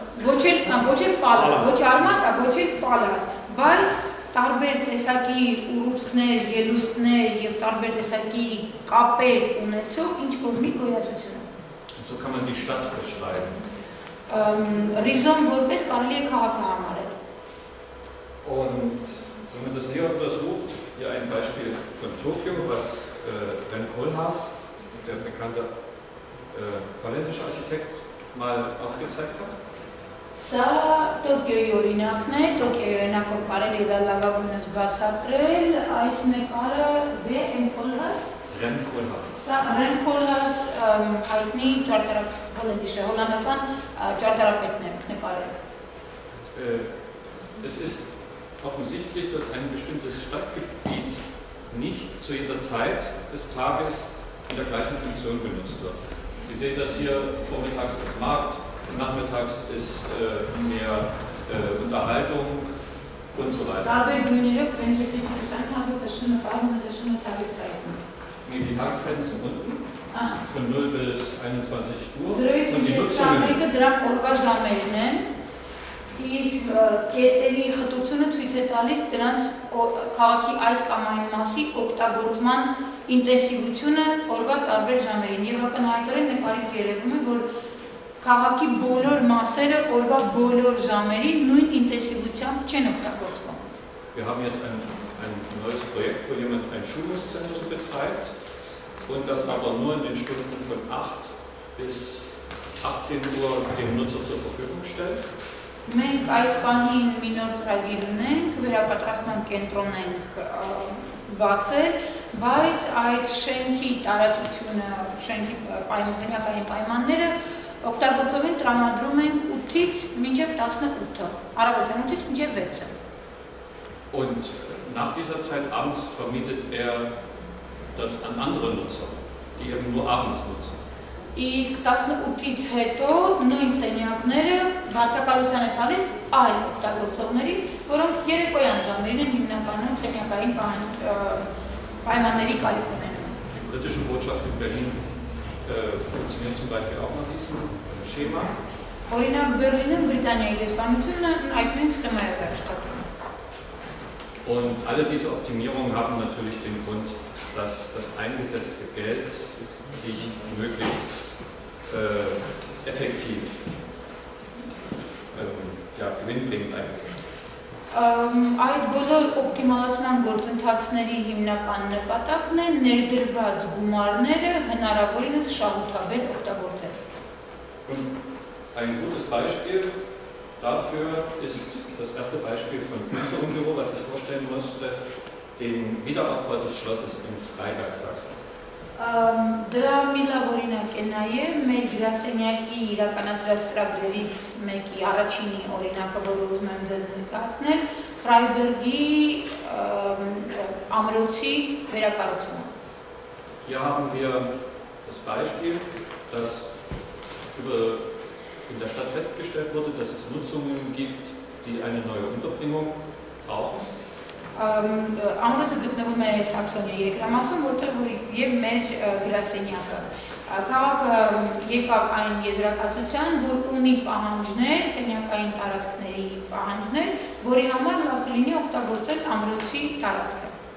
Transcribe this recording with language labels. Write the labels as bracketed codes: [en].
[hy] Ոչ էլ պալար, ոչ արմատա, ոչ էլ պալար, բայց տարբեր տեսակի ուրուտքներ, ելուստներ և տարբեր տեսակի կապեր ունեցող ինչ-որ մի գոյացությունը։ Ինչո՞ւ կամեն դի շտատ բշրայում։ Ռիզոմ որպես կարելի է քաղաքը համարել։ [de] Und wenn man das näher untersucht, hier ein Beispiel von Tokio, was Ben Kohlhaas, der bekannte holländische Architekt, mal aufgezeigt hat. [hy] Սա Տոկիոյի օրինակն է, Տոկիոյի օրինակով կարելի դա լավագույնս բացատրել, այս նկարը Ռեմ Կոլհաս։ Ռեմ Կոլհաս։ Սա Ռեմ Կոլհաս հայտնի ճարտարապետ, հոլանդական ճարտարապետն է նկարել։ [de] Es ist offensichtlich, dass ein bestimmtes Stadtgebiet nicht zu jeder Zeit des Tages in der gleichen Funktion genutzt wird. Sie sehen das hier, vormittags ist Markt, nachmittags ist mehr Unterhaltung und so weiter. Dabei dominiert, wenn ich es richtig verstanden habe, verschiedene Farben und verschiedene Tageszeiten. Nee, die Tageszeiten sind unten. Ah. Von 0 bis 21 Uhr. So, ich und die Nutzung. Drag sammeln, ne? [hy] Իսկ կետերի խտությունը ցույց է տալիս դրանց քաղաքի այս կամ այն մասի օգտագործման ինտենսիվությունը օրվա տարբեր ժամերին։ Եվ ակնհայտորեն նկարից երևում է, որ քաղաքի բոլոր մասերը օրվա բոլոր ժամերին նույն ինտենսիվությամբ չեն օգտագործվում։ [de] Wir haben jetzt ein neues Projekt, wo jemand ein Schulungszentrum betreibt und das aber nur in den Stunden von 8 bis 18 Uhr dem Nutzer zur Verfügung stellt. [hy] Մենք այս բանին մի նոր ծրագիր ունենք, վերապատրաստման կենտրոն ենք բացել, բայց այդ շենքի տարածությունը, շենքի պայմանագրային պայմանները օգտագործողին տրամադրում են 8-ից մինչև 18-ը, առավոտյան 8-ից մինչև 6-ը։ [de] Und nach dieser Zeit abends vermietet das an andere Nutzer, die eben nur abends nutzen. [hy] Իսկ 18-ից հետո նույն սենյակները բացակայության է տալիս այլ օգտագործողների, որոնք երեկոյան ժամերին են հիմնականում սենյակային պայմանների կարիք ունենում։ [de] Die britische Botschaft in Berlin funktioniert zum Beispiel auch nach diesem Schema. [hy] Օրինակ Բեռլինում Բրիտանիայի դեսպանությունն այդ նույն սխեմայով է աշխատում։ [de] Und alle diese Optimierungen haben natürlich den Grund, dass das eingesetzte Geld sich möglichst effektiv gewinnbringend einsetzt. [hy] Այդ բոլոր օպտիմալացման գործընթացների հիմնական նպատակն է ներդրված գումարները հնարավորինս շահութաբեր օգտագործել. [de] Ein gutes Beispiel dafür ist das erste Beispiel von unserem Büro, was ich vorstellen musste, den Wiederaufbau des Schlosses in Freiberg, Sachsen. [hy] Դրա մի լավ օրինակ է նաև մեր գրասենյակի իրականացրած ծրագրերից մեկի առաջինի օրինակը, որ ուզում եմ ձեզ ներկայացնել, Ֆրայբերգի ամրոցի վերակառուցումը։ [de] Hier haben wir das Beispiel, das in der Stadt festgestellt wurde, dass es Nutzungen gibt, die eine neue Unterbringung brauchen. [hy] Ամրոցը գտնվում է Սաքսոնիա երկրամասում, որտեղ և մեր գրասենյակը։ Քաղաքը եկավ այն եզրակացության, որ ունի պահանջներ, սենյակային տարածքների պահանջներ, որի համար լավ կլինի օգտագործել ամրոցի տարածքը։